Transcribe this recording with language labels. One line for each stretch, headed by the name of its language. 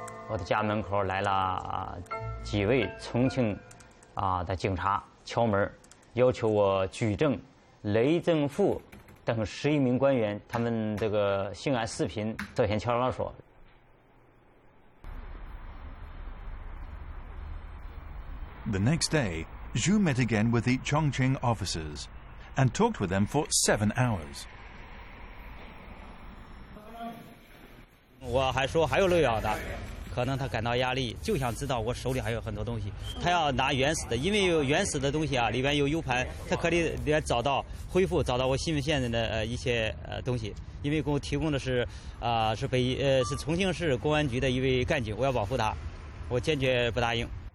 English: My
Chinese: 家门口来了几位重庆的警察敲门，要求我举证雷政富等十一名官员他们这个性爱视频涉嫌敲诈勒索。
English: The next day, Zhu met again with the Chongqing officers and talked with them for 7 hours.
Chinese: 我还说还有漏咬的，可能他感到压力，就想知道我手里还有很多东西。他要拿原始的，因为有原始的东西啊，里边有 U 盘，他可以来找到恢复，找到我新闻线的一些东西。因为给我提供的是是重庆市公安局的一位干警，我要保护他，我坚决不答应。